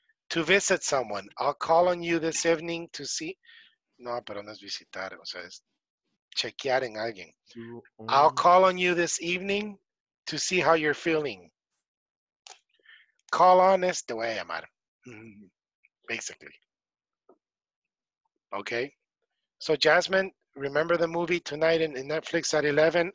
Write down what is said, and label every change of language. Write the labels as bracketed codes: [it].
[en] To visit someone, I'll call on you this evening to see. [es] No, pero no es visitar, o sea, es chequear en alguien. [en] I'll call on you this evening to see how you're feeling. Call on is [es] te voy a llamar, [en] basically. Okay, so Jasmine, remember the movie tonight in Netflix at 11?